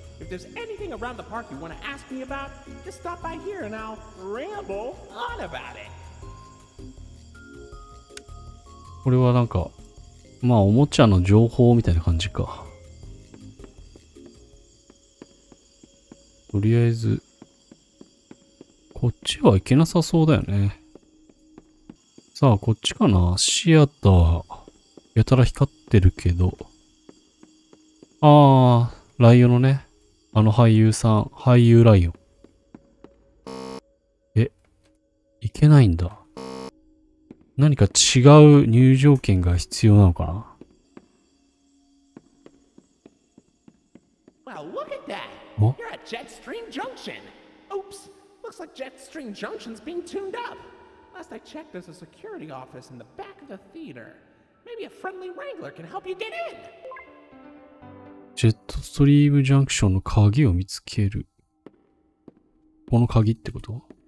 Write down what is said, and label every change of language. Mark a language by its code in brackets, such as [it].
[en] If there's anything around the park you want to ask me about, just stop by here and I'll ramble on about it. [ja] これはなんか、まあおもちゃの情報みたいな感じか。とりあえず、こっちはいけなさそうだよね。さあ、こっちかな。シアター、やたら光ってるけど、ああ、ライオンのね、あの俳優さん、俳優ライオン。え、いけないんだ。何か違う入場券が必要なのかな？ [en] Well, look at that. You're at Jetstream Junction. Oops, looks like Jetstream Junction's being tuned up. Last I checked, there's a security office in the back of the theater. Maybe a friendly wrangler can help you get in. [ja] ジェットストリームジャンクションの鍵を見つける。この鍵ってこと？